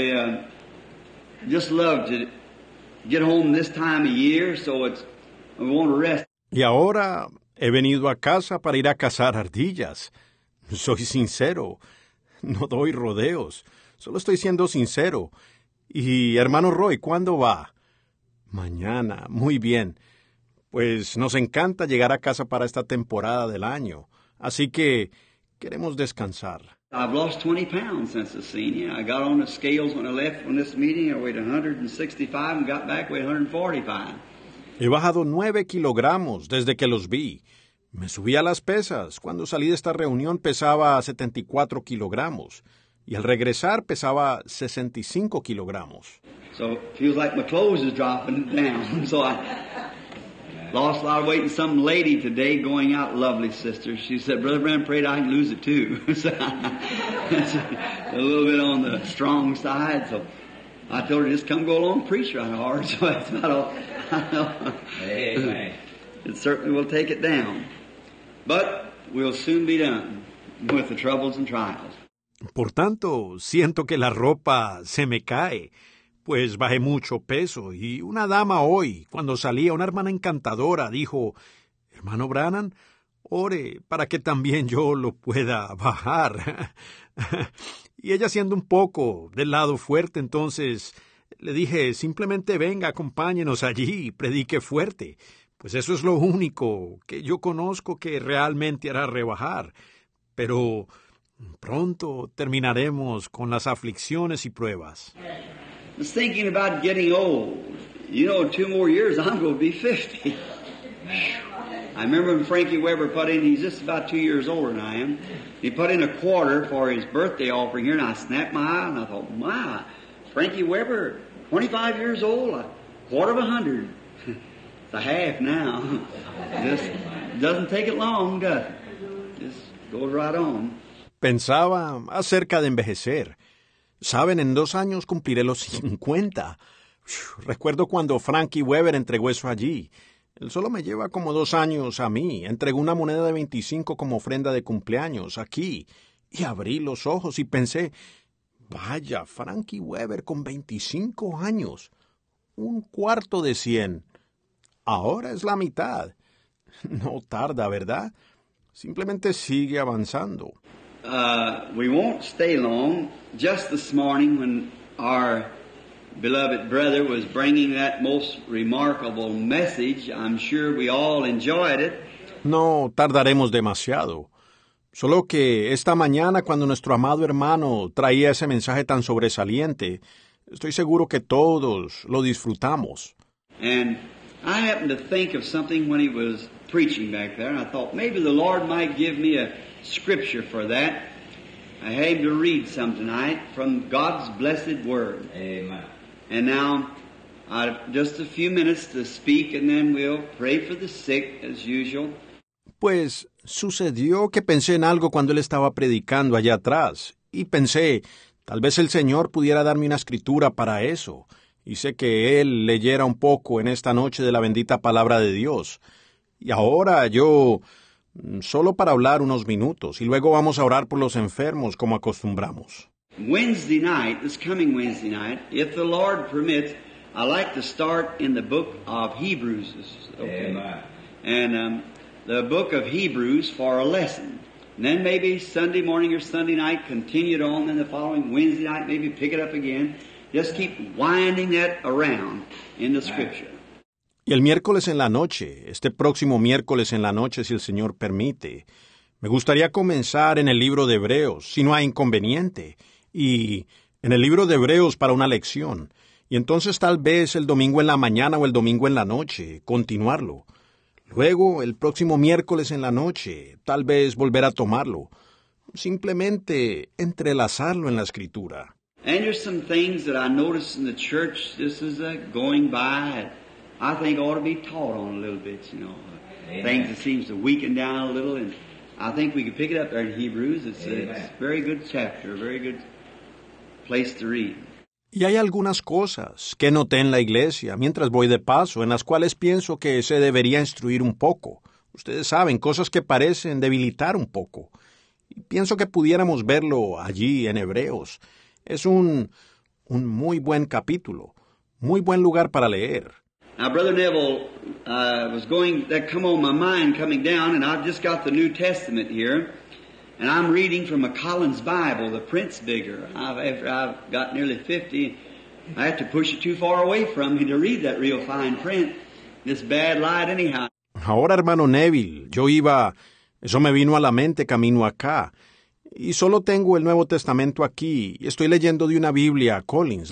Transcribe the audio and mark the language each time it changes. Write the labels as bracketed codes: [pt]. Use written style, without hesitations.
[en] So we just love to get home this time of year, so it's, we want to rest. [es] Y ahora he venido a casa para ir a cazar ardillas. Soy sincero, no doy rodeos, solo estoy siendo sincero. Y hermano Roy, ¿cuándo va? Mañana, muy bien. Pues nos encanta llegar a casa para esta temporada del año, así que queremos descansar. [en] I've lost 20 pounds since I've seen you. I got on the scales when I left from this meeting. I weighed 165 and got back weighed 145. [es] He bajado 9 kilogramos desde que los vi. Me subí a las pesas. Cuando salí de esta reunión pesaba 74 kilogramos. Y al regresar pesaba 65 kilogramos. [en] So it feels like my clothes is dropping down. So I lost a lot of weight and some lady today going out, lovely sister. She said, Brother Brand prayed I can lose it too. So a little bit on the strong side. So I told her, just come go along, preach right hard. So that's about all. It certainly will take it down. But we'll soon be done with the troubles and trials. [es] Por tanto, siento que la ropa se me cae, pues bajé mucho peso. Y una dama hoy, cuando salía, una hermana encantadora, dijo, hermano Branham, ore para que también yo lo pueda bajar. Y ella siendo un poco del lado fuerte, entonces le dije, simplemente venga, acompáñenos allí, predique fuerte, pues eso es lo único que yo conozco que realmente hará rebajar. Pero pronto terminaremos con las aflicciones y pruebas. [en] I was thinking about getting old. You know, two more years, I'm going to be 50. I remember when Frankie Weber put in, he's just about 2 years older than I am. He put in a quarter for his birthday offering here, and I snapped my eye, and I thought, my, Frankie Weber, 25 years old, a quarter of 100. It's a half now. Just doesn't take it long, does it? Just goes right on. [es] Pensaba acerca de envejecer. Saben, en 2 años cumpliré los 50. Recuerdo cuando Frankie Weber entregó eso allí. Él solo me lleva como 2 años a mí. Entregó una moneda de 25 como ofrenda de cumpleaños aquí. Y abrí los ojos y pensé, vaya, Frankie Weber con 25 años. Un cuarto de 100. Ahora es la mitad. No tarda, ¿verdad? Simplemente sigue avanzando. [en] We won't stay long. Just this morning when our beloved brother was bringing that most remarkable message, I'm sure we all enjoyed it. [es] No tardaremos demasiado. Solo que esta mañana cuando nuestro amado hermano traía ese mensaje tan sobresaliente, estoy seguro que todos lo disfrutamos. [en] And I happened to think of something when he was preaching back there, and I thought maybe the Lord might give me a scripture for that. I had to read some tonight from God's blessed word. Amen. And now, just a few minutes to speak, and then we'll pray for the sick as usual. [es] Pues sucedió que pensé en algo cuando él estaba predicando allá atrás, y pensé, tal vez el Señor pudiera darme una escritura para eso. Y sé que él leyera un poco en esta noche de la bendita palabra de Dios. Y ahora yo, solo para hablar unos minutos, y luego vamos a orar por los enfermos como acostumbramos. [en] Wednesday night, this coming Wednesday night, if the Lord permits, I like to start in the book of Hebrews. Okay. Amen. And the book of Hebrews for a lesson. And then maybe Sunday morning or Sunday night, continue it on. Then the following Wednesday night, maybe pick it up again. Just keep winding that around in the scripture. [es] Y el miércoles en la noche, este próximo miércoles en la noche, si el Señor permite, me gustaría comenzar en el libro de Hebreos, si no hay inconveniente, y en el libro de Hebreos para una lección. Y entonces tal vez el domingo en la mañana o el domingo en la noche, continuarlo. Luego, el próximo miércoles en la noche, tal vez volver a tomarlo. Simplemente entrelazarlo en la Escritura. [en] And there's some things that I noticed in the church, this is going by, I think ought to be taught on a little bit, you know. Amen. Things that seems to weaken down a little, and I think we could pick it up there in Hebrews. It's a very good chapter, a very good place to read. [es] Y hay algunas cosas que noté en la iglesia mientras voy de paso, en las cuales pienso que se debería instruir un poco. Ustedes saben, cosas que parecen debilitar un poco. Y pienso que pudiéramos verlo allí en Hebreos. Es un muy buen capítulo, muy buen lugar para leer. [en] Now, Brother Neville, was going, that come on my mind coming down, and I've just got the New Testament here. And I'm reading from a Collins Bible, the print's bigger. I've got nearly 50. I have to push it too far away from me to read that real fine print. This bad light anyhow. [es] Ahora, hermano Neville, eso me vino a la mente camino acá. Y solo tengo el Nuevo Testamento aquí. Estoy leyendo de una Biblia, Collins.